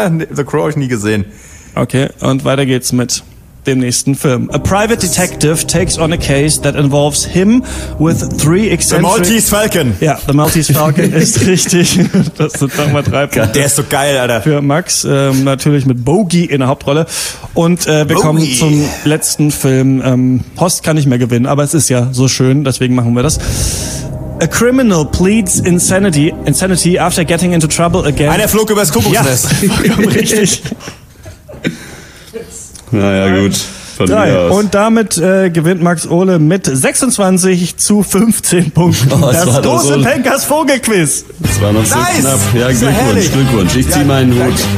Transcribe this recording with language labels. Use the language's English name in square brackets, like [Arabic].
[German] The Crow habe ich nie gesehen. Okay, und weiter geht's mit dem nächsten Film. [English] A private detective takes on a case that involves him with 3 eccentric... The Maltese Falcon. [German] Ja, The Maltese Falcon ist richtig. Das sind nochmal 3 Punkte. Der ist so geil, Alter. Für Max, natürlich mit Bogey in der Hauptrolle. Und wir kommen zum letzten Film. Host kann nicht mehr gewinnen, aber es ist ja so schön, deswegen machen wir das. [English] A criminal pleads insanity after getting into trouble again. [German] Einer flog übers Kuckucksnest. Ja, richtig. Naja, gut. Von 3. Und damit gewinnt Max Ole mit 26 zu 15 Punkten das große Penkers Vogelquiz. Das war noch so knapp. Ja, Glückwunsch, Glückwunsch. Ich ziehe meinen Hut.